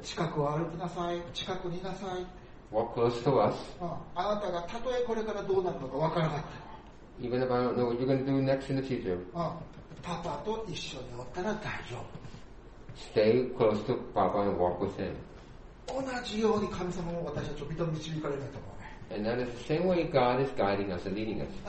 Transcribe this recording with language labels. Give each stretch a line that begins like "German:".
Japanese: 近くを歩きなさい、近くにいなさい。
English: Walk close to us.
Japanese: あなたがたとえこれからどうなるのかわからなくて。
English: Even if I don't know what you're going to do next in the future.
Japanese: パパと一緒におったら大丈夫。
English: Stay close to Papa and walk with him.
Japanese: 同じように神様も私たちを導かれないと思う。
English: And that is the same way God is guiding us and leading us.